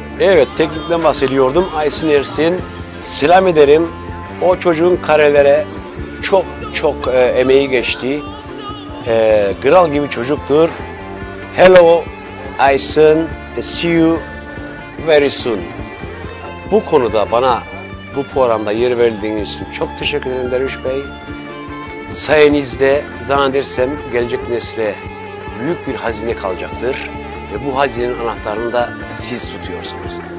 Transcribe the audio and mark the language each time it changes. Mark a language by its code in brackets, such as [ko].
[tr] Evet, teknikten bahsediyordum. Aysun Ersin, selam ederim. O çocuğun karelere çok çok emeği geçti. Kral gibi çocuktur. [en] Hello Aysun, see you very soon. [tr] Bu konuda bana bu programda yer verdiğiniz için çok teşekkür ederim Derviş Bey. Sayenizde zannedersem gelecek nesle büyük bir hazine kalacaktır. Ve bu hazinenin anahtarını da siz tutuyorsunuz.